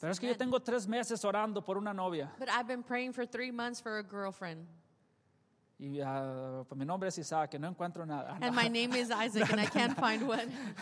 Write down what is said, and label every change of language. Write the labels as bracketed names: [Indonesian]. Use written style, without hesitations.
[Spanish] Pero es que yo tengo 3 meses orando por una novia. [English] But I've been praying for 3 months for a girlfriend. [Spanish] Y pues mi nombre es Isaac, no encuentro nada. [English] And my name is Isaac and I can't find one.